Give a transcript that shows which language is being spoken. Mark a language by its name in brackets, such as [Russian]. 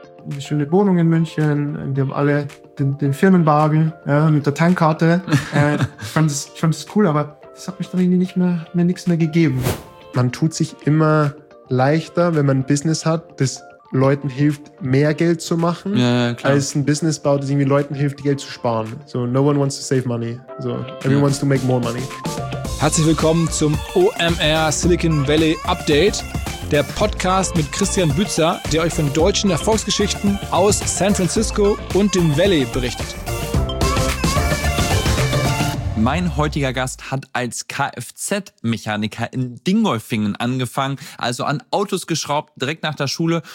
[German] eine schöne Wohnung in München, in dem alle den Firmenwagen, ja, mit der Tankkarte. ich fand es cool, aber das hat mich dann irgendwie nichts mehr gegeben. Man tut sich immer leichter, wenn man ein Business hat, das Leuten hilft, mehr Geld zu machen, ja, als ein Business baut, das irgendwie Leuten hilft, Geld zu sparen. [English] So, no one wants to save money. So, everyone wants to make more money. [German] Herzlich willkommen zum OMR Silicon Valley Update. Der Podcast mit Christian Bützer, der euch von deutschen Erfolgsgeschichten aus San Francisco und dem Valley berichtet. Mein heutiger Gast hat als Kfz-Mechaniker in Dingolfingen angefangen, also an Autos geschraubt, direkt nach der Schule.